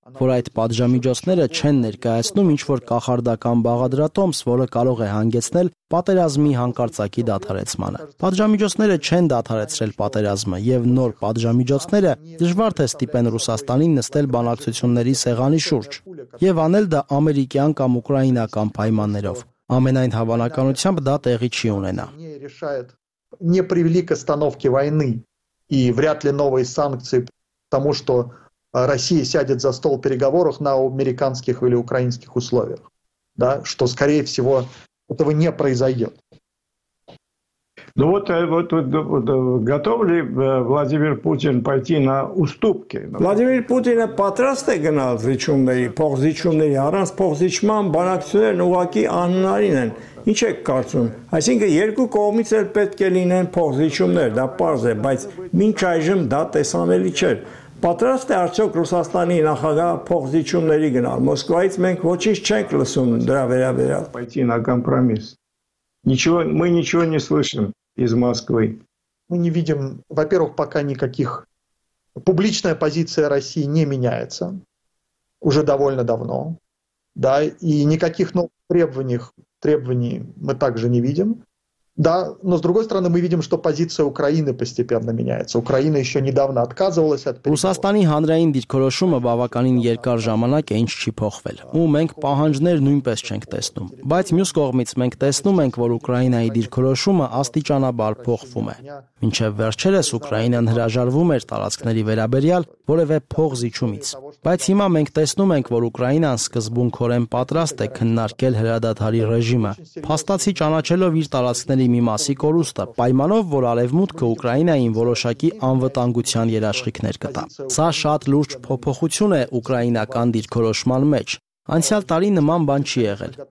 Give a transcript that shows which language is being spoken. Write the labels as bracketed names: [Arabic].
[Armenian] որ այդ պատժամիջոցները չեն ներկայացնում ինչ-որ կախարդական բաղադրատոմս, որը կարող է հանգեցնել պատերազմի հանկարծակի դադարեցմանը։ Պատժամիջոցները չեն դադարեցրել պատերազմը, և նոր պատժամիջոցները դժվար թե ստիպեն Ռուսաստանին նստել բանակցությունների սեղանի շուրջ և անել դա ամերիկյան կամ ուկրաինական պայմաններով։ Ամենայն հավանականությամբ դա տեղի չի ունենա։ [Russian] Не привели к остановке войны и вряд ли новые санкции, потому что Россия сядет за стол переговоров на американских или украинских условиях, да, что, скорее всего, этого не произойдет. Ну вот, готов ли Владимир Путин пойти на уступки? [Armenian] Владимир Путин патрасте гнал зичумный, похзичумный, а раз похзичман банакцюнер, ну ваки аннаринен. Ինչ եք կարծում, այսինքն երկու կողմից էլ պետք է լինեն փոխզիջումներ, դա պարզ է, բայց մինչ այժմ դա տեսանելի չէ։ Պատրաստ է արդյոք Ռուսաստանի նախագահ փոխզիջումների գնալ, Մոսկվայից մենք ոչինչ չենք լսում դրա վերաբերյալ։ [Russian] Пойти на компромисс. Ничего, мы ничего не слышим из Москвы. Мы не видим, во-первых, пока никаких публичная позиция России не меняется уже довольно давно. Да, и никаких новых требований мы также не видим. Да, но с другой стороны, мы видим, что позиция Украины постепенно меняется. Украина еще недавно отказывалась от переговоров. [Armenian] Ռուսաստանի հանրային դիրքորոշումը բավականին երկար ժամանակ է, ինչ չի փոխվել, ու մենք պահանջներ նույնպես չենք տեսնում. Բայց մյուս կողմից մենք տեսնում ենք, որ Ուկրաինայի դիրքորոշումը աստիճանաբար փոխվում է։ Մինչև վերջերս Ուկրաինան հրաժարվում էր տարածքների վերաբերյալ որևէ փոխզիջումից, բայց հիմա մենք տեսնում ենք, որ Ուկրաինան սկզբունքորեն պատրաստ է քննարկել հրադադարի ռեժիմը, փաստացի ճանաչելով իր տարածքների մի մասի կորուստը, պայմանով, որ արևմուտքը Ուկրաինային որոշակի անվտանգության երաշխիքներ կտա։ Սա շատ լուրջ փոփոխություն է ուկրաինական դիրքորոշման մեջ։ Անցյալ տարի նման բան չի եղել։